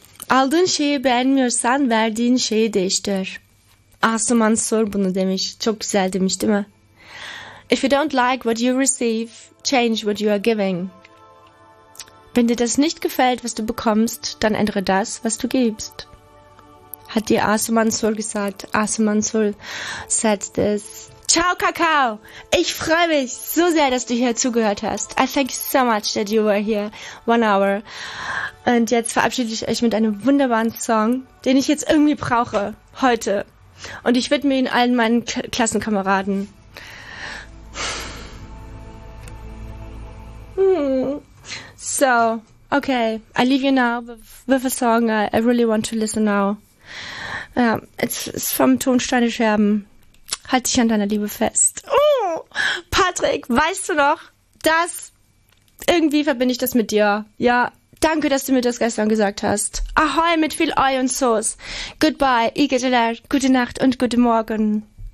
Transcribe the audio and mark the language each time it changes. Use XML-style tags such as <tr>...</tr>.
<tr>Aldığın şeyi beğenmiyorsan verdiğin şeyi değiştir. Asuman Sor bunu demiş. Çok güzel demiş, değil mi?</tr> <en>If you don't like what you receive, change what you are giving.</en> <de>Wenn dir das nicht gefällt, was du bekommst, dann ändere das, was du gibst. Hat dir Asuman Sol gesagt.</de> <en>Asuman Sol said this.</en> <de>Ciao, Kakao! Ich freue mich so sehr, dass du hier zugehört hast.</de> <en>I thank you so much that you were here. 1 hour.</en> <de>Und jetzt verabschiede ich euch mit einem wunderbaren Song, den ich jetzt irgendwie brauche. Heute. Und ich widme ihn allen meinen Klassenkameraden.</de> <en>So, okay, I leave you now with a song I really want to listen now. It's</en> <de>vom Tonsteine Scherben. Halt dich an deiner Liebe fest. Oh, Patrick, weißt du noch, das, irgendwie verbinde ich das mit dir. Ja, danke, dass du mir das gestern gesagt hast. Ahoi mit viel Oi und Sauce.</de> <en>Goodbye,</en> <de>Igitala, gute Nacht und guten Morgen.</de>